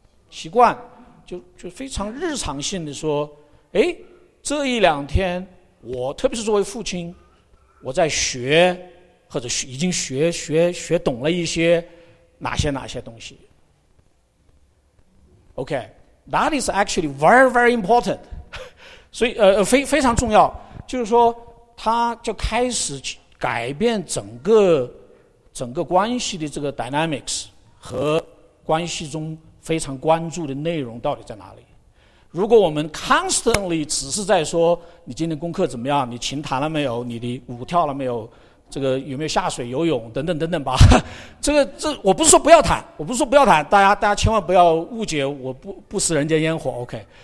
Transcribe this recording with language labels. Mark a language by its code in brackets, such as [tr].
[zh] 习惯，就非常日常性的说，哎，这一两天我特别是作为父亲我在学，或者已经学懂了一些哪些东西。OK， [en] That is actually very, very important. [zh] 所以非常重要，就是说他就开始改变整个关系的这个 dynamics 和关系中非常关注的内容到底在哪里。如果我们 constantly 只是在说你今天功课怎么样，你琴弹了没有，你的舞跳了没有，这个有没有下水游泳等等等等吧，这我不是说不要弹，我不是说不要弹，大家千万不要误解，我不食人间烟火 OK。